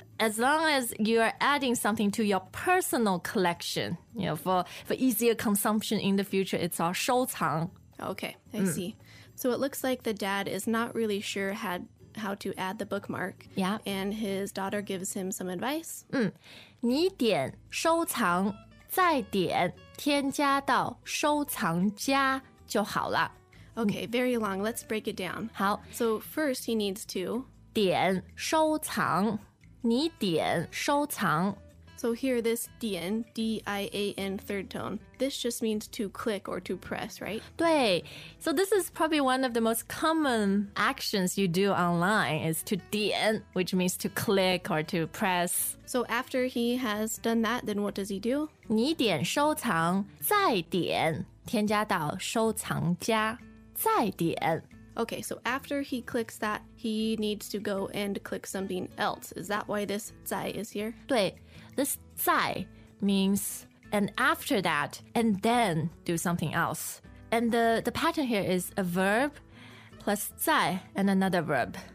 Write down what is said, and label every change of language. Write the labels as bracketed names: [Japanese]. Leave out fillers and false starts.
[English] As long as you are adding something to your personal collection, you know, for easier consumption in the future, it's our 收藏. Okay, I see. So it looks like the dad is not really sure how to add the bookmark. Yeah. And his daughter gives him some advice. [Chinese] 你点收藏再点添加到收藏家就好了。 [English] Okay, very long. Let's break it down. [Chinese] 好。 [English] So first he needs to [Chinese] 点收藏。你点收藏。 [English] So here this 点, D-I-A-N, third tone. This just means to click or to press, right? 对, so this is probably one of the most common actions you do online is to 点, which means to click or to press. So after he has done that, then what does he do? [Chinese] 你点收藏,再点,添加到收藏家,再点。 [English] Okay, so after he clicks that, he needs to go and click something else. Is that why this 再 is here? 对, this 再 means and after that, and then do something else. And the pattern here is a verb plus 再 and another verb.